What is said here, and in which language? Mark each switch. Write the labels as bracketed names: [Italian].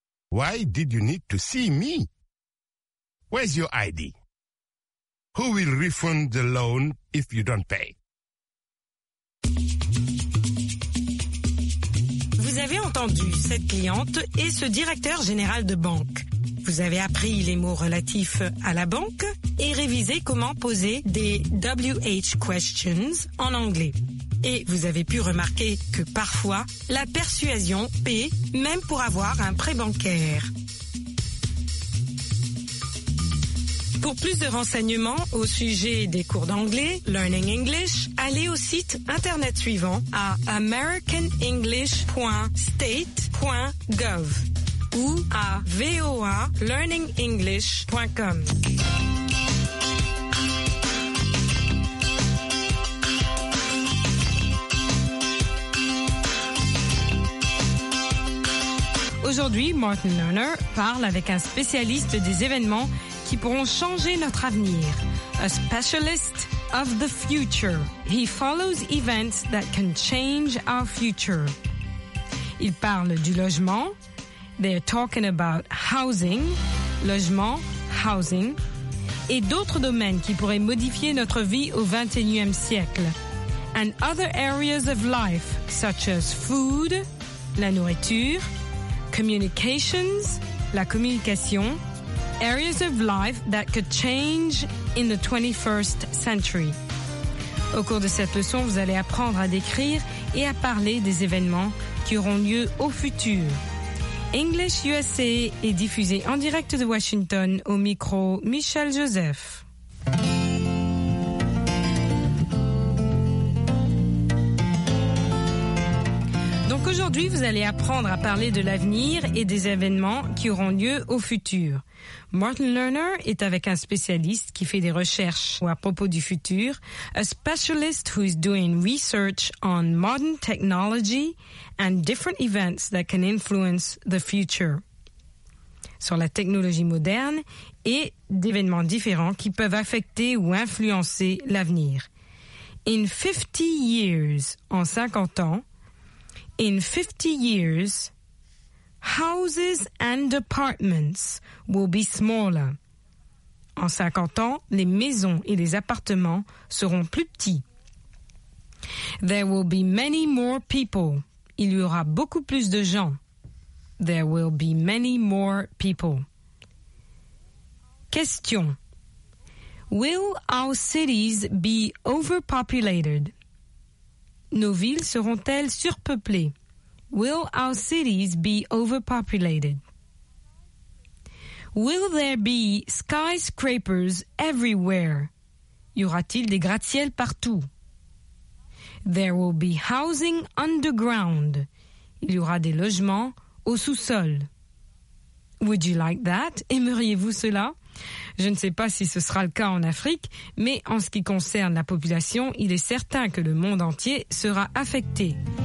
[English] Why did you need to see me? Where's your ID? Who will refund the loan if you don't pay? [French] Vous avez entendu cette cliente et ce directeur général de banque. Vous avez appris les mots relatifs à la banque et révisé comment poser des WH questions en anglais. Et vous avez pu remarquer que parfois, la persuasion paie même pour avoir un prêt bancaire. Pour plus de renseignements au sujet des cours d'anglais, Learning English, allez au site internet suivant à americanenglish.state.gov ou à voalearningenglish.com. Aujourd'hui, Martin Lerner parle avec un spécialiste des événements qui pourront changer notre avenir. [English] A specialist of the future. He follows events that can change our future. [French] Il parle du logement. [English] They're talking about housing. [French] Logement, housing. Et d'autres domaines qui pourraient modifier notre vie au 21e siècle. [English] And other areas of life, such as food, [French] la nourriture, [English] communications, [French] la communication. [English] Areas of life that could change in the 21st century. [French] Au cours de cette leçon, vous allez apprendre à décrire et à parler des événements qui auront lieu au futur. English USA est diffusé en direct de Washington au micro Michel Joseph. Donc aujourd'hui, vous allez apprendre à parler de l'avenir et des événements qui auront lieu au futur. Martin Lerner est avec un spécialiste qui fait des recherches à propos du futur, [English] a specialist who is doing research on modern technology and different events that can influence the future. [French] Sur la technologie moderne et d'événements différents qui peuvent affecter ou influencer l'avenir. [English] In 50 years, [French] en 50 ans, [English] in 50 years, houses and apartments will be smaller. [French] En 50 ans, les maisons et les appartements seront plus petits. [English] There will be many more people. [French] Il y aura beaucoup plus de gens. [English] There will be many more people. Question. Will our cities be overpopulated? [French] Nos villes seront-elles surpeuplées? [English] Will our cities be overpopulated? Will there be skyscrapers everywhere? [French] Y aura-t-il des gratte-ciels partout? [English] There will be housing underground. [French] Il y aura des logements au sous-sol. [English] Would you like that? [French] Aimeriez-vous cela? Je ne sais pas si ce sera le cas en Afrique, mais en ce qui concerne la population, il est certain que le monde entier sera affecté.